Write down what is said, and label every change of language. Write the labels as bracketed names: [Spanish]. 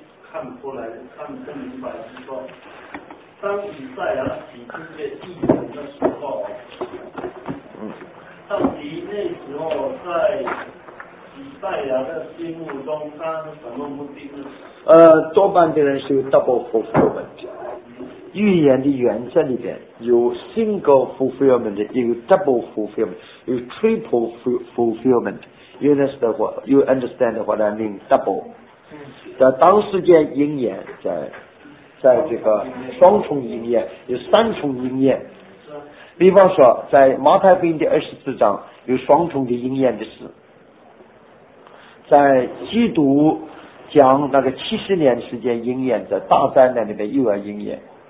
[Chinese] 看不出来，看不明白，就是说，当以赛亚写这些预言的时候，到底那时候在以赛亚的心目中，他是什么目的呢？多半的人是有 double fulfillment。预言的原则里边有 single fulfillment， 有 double fulfillment， 有 triple fulfillment。 [English] You understand what you understand what I mean double。 [Chinese] 在当时间应验，在这个双重应验，有三重应验。比方说，在马太福音第24章有双重的应验的事，在基督讲那个70年时间应验，在大灾难里面又要应验。